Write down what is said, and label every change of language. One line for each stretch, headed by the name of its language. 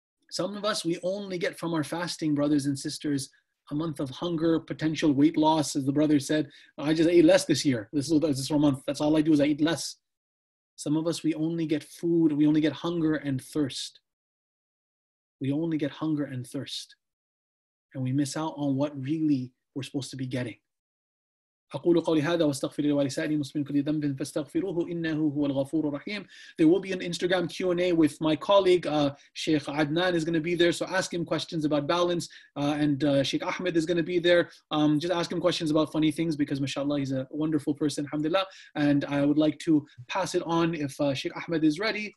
English: Some of us, we only get from our fasting, brothers and sisters, a month of hunger, potential weight loss, as the brother said, I just ate less this year. This is for a month. That's all I do is I eat less. Some of us, we only get food. We only get hunger and thirst. We only get hunger and thirst. And we miss out on what really we're supposed to be getting.
Arabic: أقول قولي هذا واستغفر لي ولسائر المسلمين كل ذنب فاستغفروه إنه هو الغفور الرحيم.
English: There will be an Instagram Q&A with my colleague, Sheikh Adnan is going to be there. So ask him questions about balance. Sheikh Ahmed is going to be there. Just ask him questions about funny things because mashallah, he's a wonderful person, alhamdulillah. And I would like to pass it on if Sheikh Ahmed is ready.